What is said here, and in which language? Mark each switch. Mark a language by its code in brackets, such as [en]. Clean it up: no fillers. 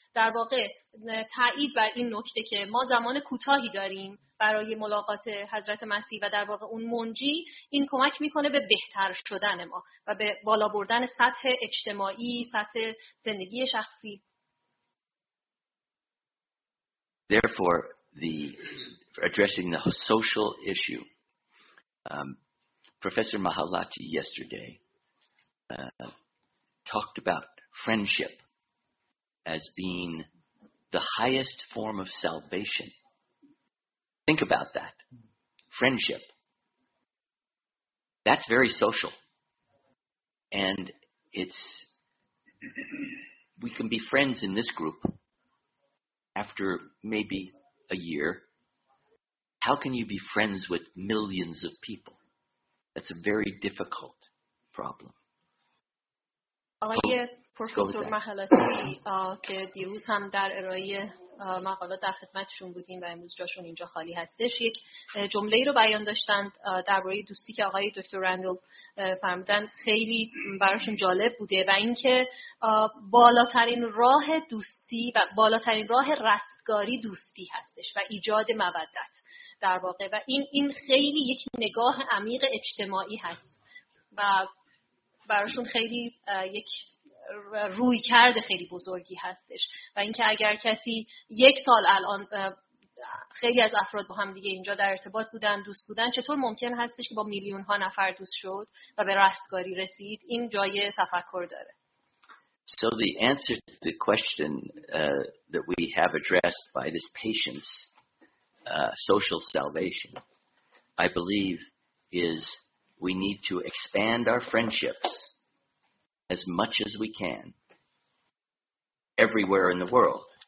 [fa] در واقع تأیید بر این نکته که ما زمان کوتاهی داریم برای ملاقات حضرت مسیح و در واقع اون منجی، این کمک میکنه به بهتر شدن ما و به بالا بردن سطح اجتماعی، سطح زندگی شخصی. [en] Therefore, the addressing the social issue, Professor Mahalati yesterday talked about friendship as being the highest form of salvation. Think about that. Friendship. That's very social. And it's, we can be friends in this group, after maybe a year, how can you be friends with millions of people? That's a very difficult problem. [fa] آقای پروفسور محلاتی که دیروز هم در ارائه مقاله در خدمتشون بودیم و امروز جاشون اینجا خالی هستش، یک جمله رو بیان داشتند درباره دوستی که آقای دکتر رندل فرمودن خیلی براشون جالب بوده و اینکه بالاترین راه دوستی و بالاترین راه رستگاری دوستی هستش و ایجاد مودت در واقع، و این خیلی یک نگاه عمیق اجتماعی هست و براشون خیلی یک روی کرده خیلی بزرگی هستش، و اینکه اگر کسی یک سال الان خیلی از افراد با هم دیگه اینجا در ارتباط بودن، دوست بودن، چطور ممکن هستش که با میلیون ها نفر دوست شد و به رستگاری رسید؟ این جای تفکر داره. [en] So the answer to the question that we have addressed by this patient's social salvation, I believe, is we need to expand our friendships as much as we can everywhere in the world.